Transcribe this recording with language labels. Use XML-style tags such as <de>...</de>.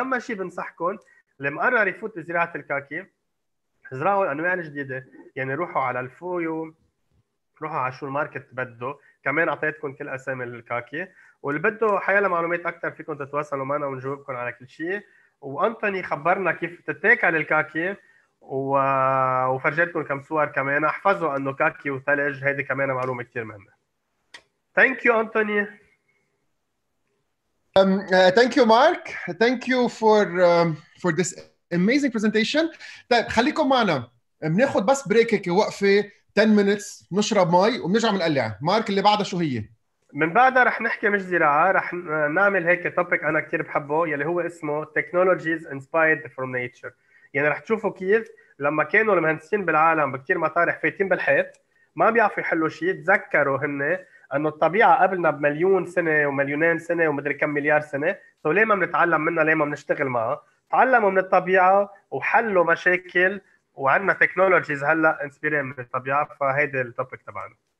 <ar>اهم شيء بنصحكم اللي مقرر يفوت بزراعه الكاكي زرعوا انواع جديده، يعني روحوا على الفويو، روحوا على شو الماركت بده، كمان اعطيتكم كل اسامي الكاكي، واللي بده حيالة معلومات أكثر فيكم تتواصلوا معنا ونجاوبكم على كل شيء. وأنتوني خبرنا كيف تتاكل الكاكي وفرجيتكم كم صور كمان، احفظوا أنه كاكي وثلج هيدي كمان معلومة كتير مهمة.</ar> <en>Thank you Anthony. Thank you Mark. Thank you for this amazing presentation.</en> <ar>طيب خليكم معنا بناخد بس بريك هيك وقفة</ar> <en>10 minutes</en> <ar>نشرب مي وبنرجع بنقلع. مارك اللي بعده شو هي؟ من بعدها رح نحكي مش زراعة، رح نعمل هيك topic أنا كتير بحبه يلي هو اسمه</ar> <en>technologies inspired from nature.</en> <ar>يعني رح تشوفوا كيف لما كانوا المهندسين بالعالم بكتير مطارح فيتين بالحيط ما بيعرفوا يحلوا شيء، تذكروا هن أنه الطبيعة قبلنا بمليون سنة ومليونين سنة ومدري كم مليار سنة، طيب ليه ما بنتعلم منها، ليه ما بنشتغل معها؟ تعلموا من الطبيعة وحلوا مشاكل وعندنا technologies هلأ inspired من الطبيعة، فهيدي topic تبعنا.</ar>